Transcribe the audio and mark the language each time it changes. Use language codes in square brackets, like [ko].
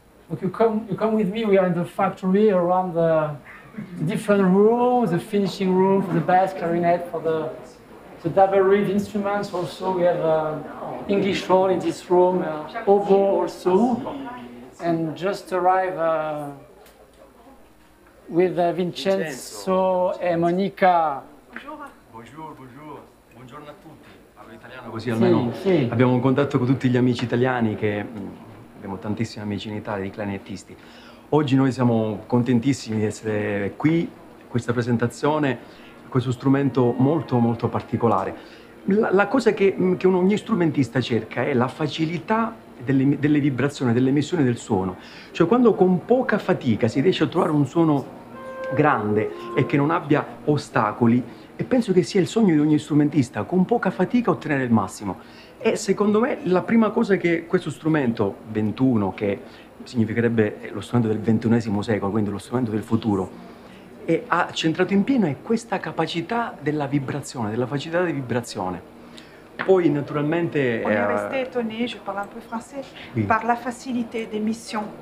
[en] Okay, you come with me. We are in the factory around the different rooms, the finishing room for the bass clarinet, for the double reed instruments. Also, we have English horn in this room, oboe also, and just arrive with Vincenzo and Monica. [it] Bonjour. Bonjour. Bonjour a tutti. Parlo italiano così almeno. Sì. Abbiamo un contatto con tutti gli amici italiani che. Abbiamo tantissimi amici in Italia di clarinettisti. Oggi noi siamo contentissimi di essere qui, questa presentazione, questo strumento molto molto particolare. La cosa che ogni strumentista cerca è la facilità delle vibrazioni, dell'emissione del suono. Cioè quando con poca fatica si riesce a trovare un suono grande e che non abbia ostacoli, e penso che sia il sogno di ogni strumentista, con poca fatica ottenere il massimo. E secondo me la prima cosa che questo strumento 21, che significherebbe lo strumento del 21esimo secolo, quindi lo strumento del futuro, ha centrato in pieno è questa capacità della vibrazione, della facilità di vibrazione. Poi naturalmente... [fr] On est resté étonné, je parle un peu français, oui. Par la facilité d'émission.